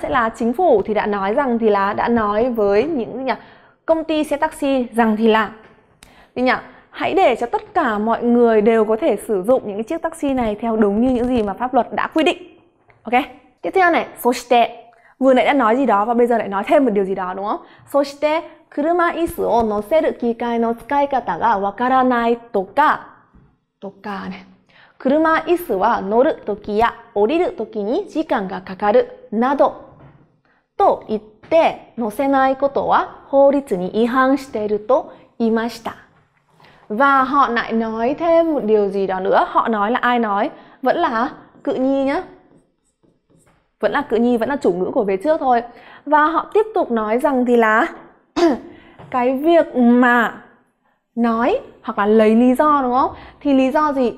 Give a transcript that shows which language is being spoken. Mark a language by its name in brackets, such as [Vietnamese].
[Vietnamese] Sẽ là chính phủ thì đã nói rằng thì là, đã nói với những nhà công ty xe taxi rằng thì là thì nhỉ? Hãy để cho tất cả mọi người đều có thể sử dụng những chiếc taxi này theo đúng như những gì mà pháp luật đã quy định. Ok. Tiếp theo này. そして vừa nãy đã nói gì đó và bây giờ lại nói thêm một điều gì đó đúng không? [Japanese] そして車椅子を乗せる機械の使い方がわからないとか、とかね。車椅子は乗るときや降りるときに時間がかかるなどと言って乗せないことは法律に違反していると言いました。 [Vietnamese] Và họ lại nói thêm một điều gì đó nữa. Họ nói là ai nói? Vẫn là cự nhi nhá. Vẫn là cự nhi, vẫn là chủ ngữ của về trước thôi. Và họ tiếp tục nói rằng thì là cái việc mà nói hoặc là lấy lý do đúng không? Thì lý do gì?